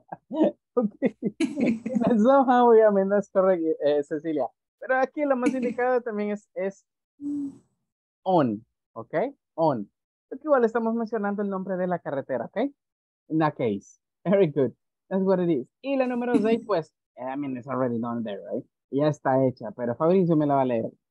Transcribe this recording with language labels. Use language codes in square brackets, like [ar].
[en] Okay. Somehow, [es] obviamente es correcto, Cecilia. Pero aquí lo más indicado también es on, ¿ok? On. Porque igual estamos mencionando el nombre de la carretera, ¿ok? [en] In that case. Very good. That's what it is. [es] Y la número 6, pues, [en] I mean, it's already done there, right? [es] Ya está hecha, pero Fabricio me la va a leer.